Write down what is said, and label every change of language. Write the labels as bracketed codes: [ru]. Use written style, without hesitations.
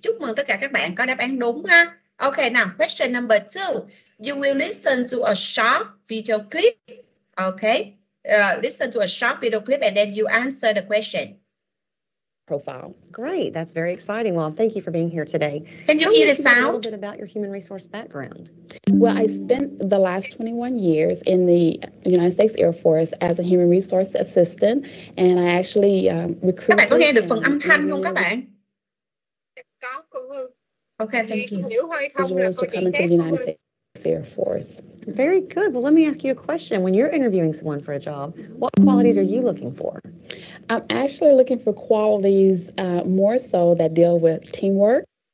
[vi] Chúc mừng tất cả các bạn có đáp án đúng ha. [en] Okay, now question number two. You will listen to a short video clip. Okay. Listen to a short video clip and then you answer the question. Profile. Great. That's very exciting. Well, thank you for being here today. Can you hear the sound? A little bit about your human resource background. Well, I spent the last 21 years in the United States Air Force as a human resource assistant, and I actually recruited. [vi] Các bạn có nghe được phần âm thanh không các bạn? Có, cô Hương. [en] Okay, thank you. [vi] Nếu hơi thông là có Air Force. [en] Very good. Well, let me ask you a question. When you're interviewing someone for a job, what qualities are you looking for? I'm actually looking for qualities more so that deal with teamwork.